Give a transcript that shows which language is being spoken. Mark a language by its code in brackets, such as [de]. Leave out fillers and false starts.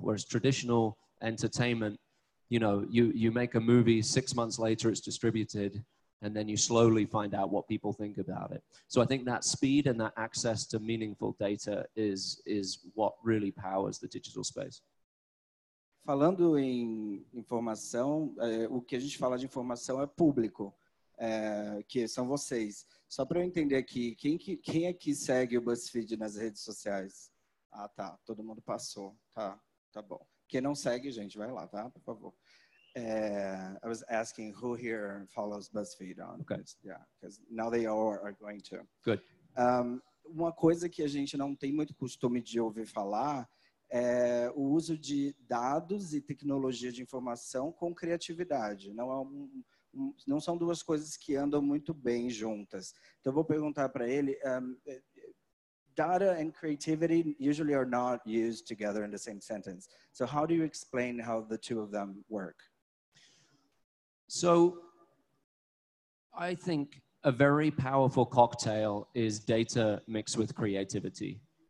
[en] Whereas traditional entertainment, you know, you make a movie, 6 months later it's distributed, and then you slowly find out what people think about it. So I think that speed and that access to meaningful data is what really powers the digital space. [pt] Falando em informação, o que a gente fala de informação é público, que são vocês. Só para eu entender aqui, quem é que segue o BuzzFeed nas redes sociais? Ah, tá, todo mundo passou. Tá bom. Quem não segue, gente, vai lá, tá? Por favor. [en] I was asking who here follows BuzzFeed on. Okay. Yeah, because now they all are going to. Good. [pt] Uma coisa que a gente não tem muito costume de ouvir falar é o uso de dados e tecnologia de informação com criatividade. Não são duas coisas que andam muito bem juntas. Então, eu vou perguntar para ele. [en] Data and creativity usually are not used together in the same sentence. So how do you explain how the two of them work? So I think a very powerful cocktail is data mixed with creativity.